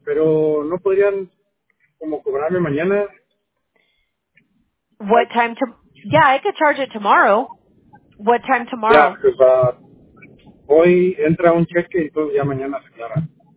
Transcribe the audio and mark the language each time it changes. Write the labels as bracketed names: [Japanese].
[Spanish] Pero no podrían como cobrarme mañana. [English] What time yeah, I could charge it tomorrow. What time tomorrow? Yeah, because [Spanish] hoy entra un cheque y entonces ya mañana se aclara.